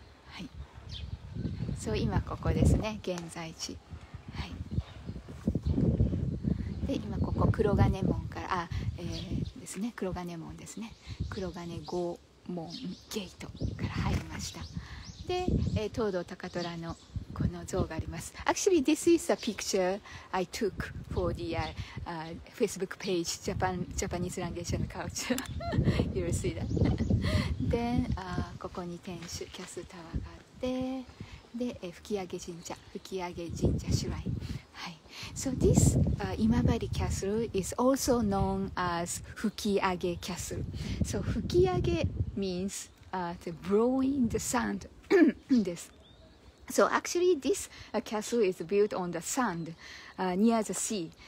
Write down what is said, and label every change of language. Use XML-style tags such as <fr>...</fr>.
<ja>はい。So 今ここですね。現在地。はい。で、今ここ黒金門から、あ、ですね。黒金門ですね。黒金郷門ゲートから入りました。で、東堂高虎のこの像があります。</ja> <en>Actually, this is a picture I took for the Facebook page Japanese Language and Culture. You will see that.</en> <ja>Then, ここに天守、キャスタワーがあって、で、吹上神社、吹上神社シュライン。はい。</ja> <en>So this Imabari Castle is also known as 吹上 Castle. So 吹上 means the blowing the sand です。 So actually this castle is built on the sand near the sea.</en>